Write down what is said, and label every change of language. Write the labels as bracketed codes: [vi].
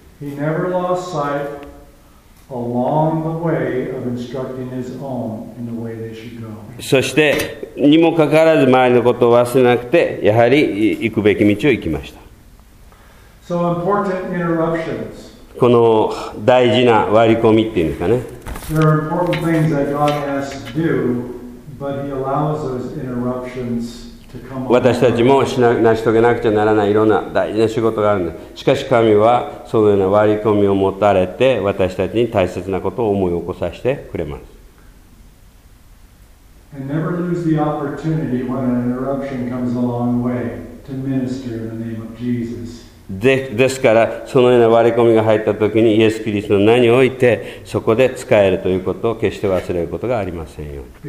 [en] He never lost sight along the way of instructing his own in the way they should go. [ja] そしてにもかかわらず周りのことを忘れなくて、やはり行くべき道を行きました。 [en] So important interruptions. [ja] この大事な割り込みっていうんですかね。 [en] There are important things that God has to do, but He allows those interruptions to come [ja] up. 私たちも成し遂げなくちゃならないいろんな大事な仕事があるんです。しかし神はそのような割り込みを持たれて、私たちに大切なことを思い起こさせてくれます。 [en] And never lose the opportunity when an interruption comes a long way to minister in the name of Jesus. [ja] ですからそのような割り込みが入った時にイエス・キリストの名においてそこで使えるということを決して忘れることがありませんよ。